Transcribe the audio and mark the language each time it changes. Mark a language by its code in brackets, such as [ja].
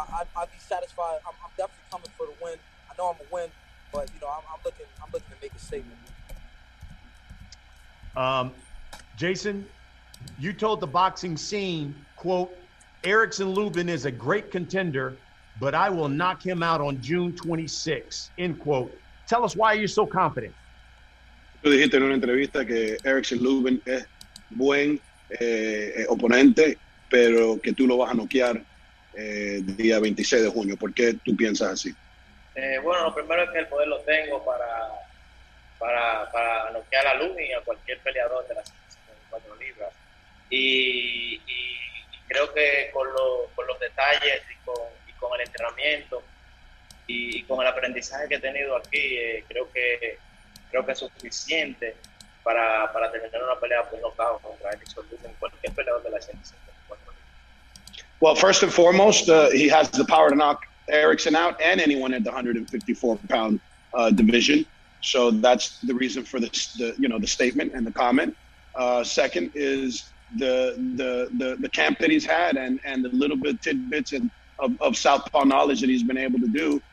[en] I'd be satisfied. I'm definitely coming for the win. I know I'm a win, but you know I'm looking to make a statement. Jason, you told the boxing scene, quote, Erickson Lubin is a great contender, but I will knock him out on June 26, end quote. Tell us why you're so confident. [es] Tú dijiste en una entrevista que Erickson Lubin es buen oponente, pero que tú lo vas a noquear día 26 de junio. ¿Por qué tú piensas así? Bueno, lo primero es que el poder lo tengo para noquear a Lubin y a cualquier peleador de las 54 libras. Y creo que con los detalles y con el entrenamiento y con el aprendizaje que he tenido aquí, creo que es suficiente para terminar una pelea por nocaut contra Erickson Lubin, cualquier peleador de las 154 libras. [en] Well, first and foremost, he has the power to knock Erickson out and anyone at the 154-pound division. So that's the reason for the statement and the comment. Second is the camp that he's had and the little bit tidbits of southpaw knowledge that he's been able to do.